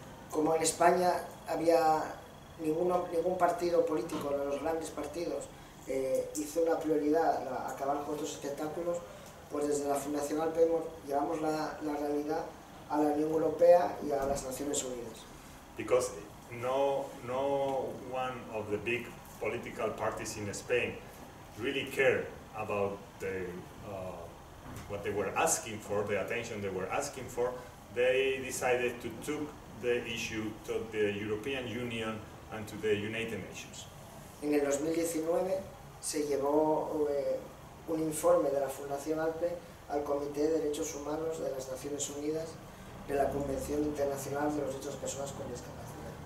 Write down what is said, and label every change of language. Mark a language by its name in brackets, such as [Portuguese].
[Spanish] Como en España había ningún partido político, de los grandes partidos, hizo una prioridad acabar con estos espectáculos, pues desde la Fundación ALPE llevamos la realidad a la Unión Europea y a las Naciones Unidas. [English] Because no one of the big political parties in Spain really cared about the what they were asking for, the attention they were asking for, they decided to took the issue to the European Union and to the United Nations. [Spanish] En el 2019 se llevó un informe de la Fundación ALPE al Comité de Derechos Humanos de las Naciones Unidas de la Convención Internacional de los Derechos de Personas con Discapacidad.